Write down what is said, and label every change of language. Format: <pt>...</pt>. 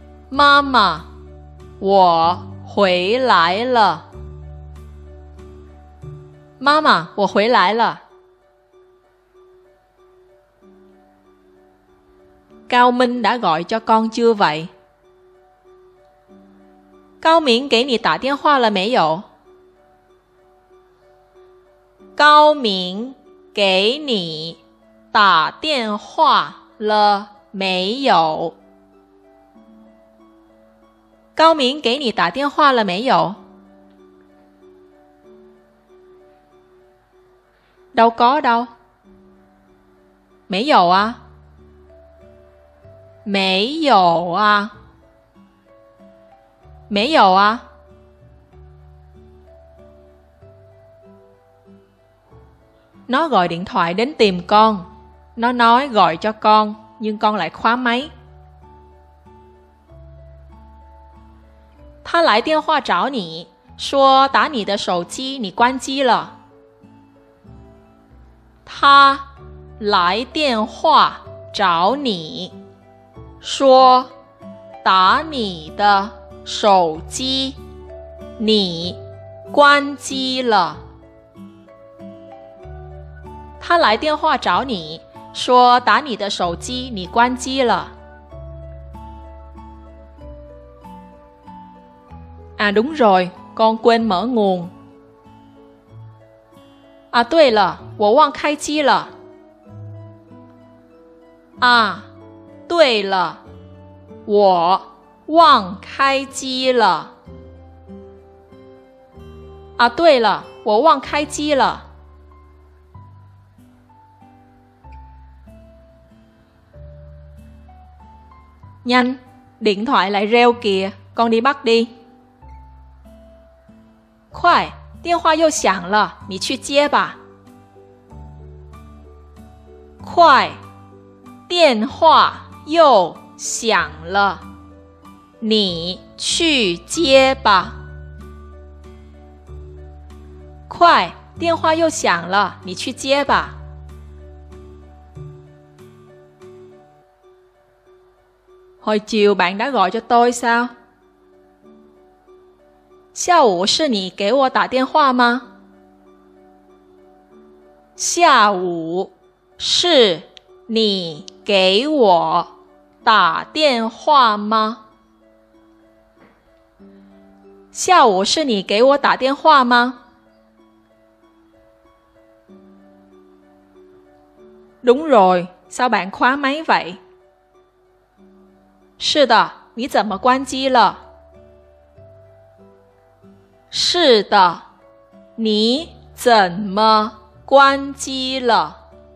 <zh>Mama, 我回来了。 Mama, 我回来了。</zh> <vi>Cao Minh đã gọi cho con chưa vậy?</vi> <zh>Cao Minh 给你打电话了没有？高敏给你打电话了没有？高敏给你打电话了没有？</zh> <vi>Đâu có đâu.</vi> <zh>没有啊。没有啊。没有啊。</zh> <vi>Nó gọi điện thoại đến tìm con. Nó nói gọi cho con, nhưng con lại khóa máy.</vi> <zh>他来电话找你，说打你的手机，你关机了。他来电话找你，说打你的手机，你关机了。他来电话找你，说打你的手机，你关机了。</zh> <vi>À đúng rồi, con quên mở nguồn.</vi> <zh>啊对了，我忘开机了。啊对了，我忘开机了。啊对了，我忘开机了。</zh> <vi>Nhanh, điện thoại lại reo kìa, con đi bắt đi.</vi> <zh>Khoai, 电话又响了，你去接吧。 Khoai, 电话又响了，你去接吧。 Khoai, 电话又响了，你去接吧。</zh> <vi>Hồi chiều bạn đã gọi cho tôi sao?</vi> <zh>下午是你给我打电话吗？下午是你给我打电话吗？下午是你给我打电话吗？</zh> <vi>Đúng rồi, sao bạn khóa máy vậy?</vi> <zh>是的，你怎么关机了？是的，你怎么关机了？</zh>